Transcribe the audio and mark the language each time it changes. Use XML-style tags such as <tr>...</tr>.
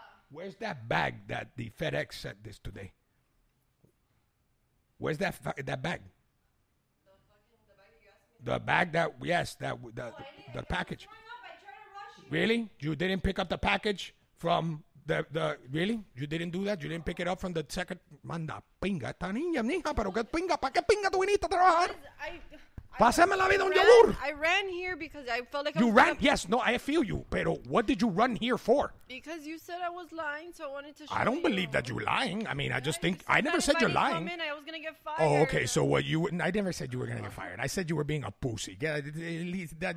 <en>Where's that bag that the FedEx sent this today? Where's that that bag? The package. Really? You didn't pick up the package from... The really? You didn't do that? You didn't pick it up from the second?</en> <es>Manda, pinga, esta niña, mija, pero qué pinga, ¿pa qué pinga tú viniste a trabajar? Pásame la vida un yogur.</es> <en>I ran here because I felt like you I was... You ran? Yes, no, I feel you, pero what did you run here for? Because you said I was lying, so I wanted to show I don't you. Believe that you're lying. I mean, I just think... I never said you're lying. Come in, I was going to get fired. Oh, okay, so what you... I never said you were going to get fired. I said you were being a pussy. Yeah, leave the</en>